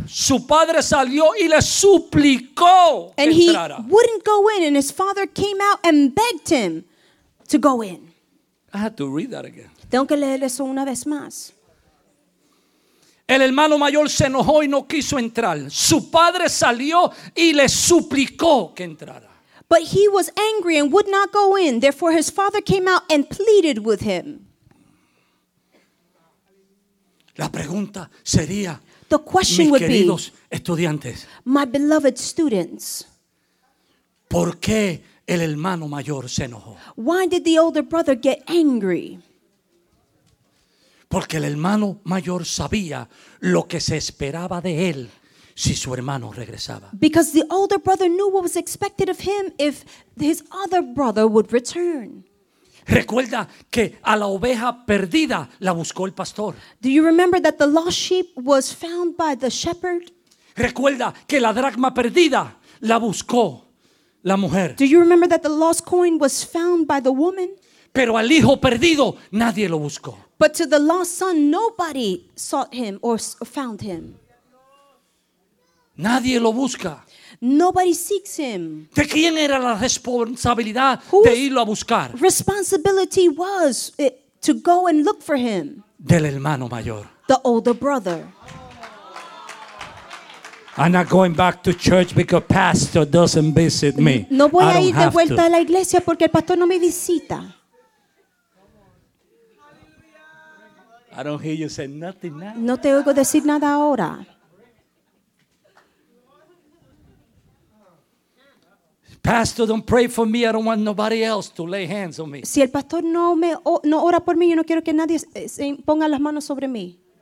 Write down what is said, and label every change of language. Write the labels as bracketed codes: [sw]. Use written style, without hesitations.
[es] Su padre salió y le suplicó que entrara. [en] And he wouldn't go in, and his father came out and begged him to go in. I have to read that again. [es] Tengo que leer eso una vez más. El hermano mayor se enojó y no quiso entrar. Su padre salió y le suplicó que entrara. [en] But he was angry and would not go in. Therefore, his father came out and pleaded with him. [es] La pregunta sería, [en] the question [es] mis [en] would [es] queridos [en] be, [es] estudiantes, [en] my beloved students, [es] ¿por qué el hermano mayor se enojó? [en] Why did the older brother get angry? [es] Porque el hermano mayor sabía lo que se esperaba de él. Si su hermano regresaba. [en] Because the older brother knew what was expected of him if his other brother would return. [es] Recuerda que a la oveja perdida la buscó el pastor. [en] Do you remember that the lost sheep was found by the shepherd? [es] Recuerda que la dracma perdida la buscó la mujer. [en] Do you remember that the lost coin was found by the woman? [es] Pero al hijo perdido nadie lo buscó. [en] But to the lost son, nobody sought him or found him. [es] Nadie lo busca. [en] Nobody seeks him. [es] ¿De quién era la responsabilidad de irlo a buscar? [en] Responsibility was to go and look for him. [es] Del hermano mayor. [en] The older brother. I'm not going back to church because pastor doesn't visit me. [es] No voy a ir de vuelta a la iglesia porque el pastor no me visita. [en] I don't hear you say nothing now. [es] No te oigo decir nada ahora. [en] Pastor, don't pray for me. I don't want nobody else to lay hands on me. [es] Si el pastor no ora por mí, yo no quiero que nadie se ponga las manos sobre mí.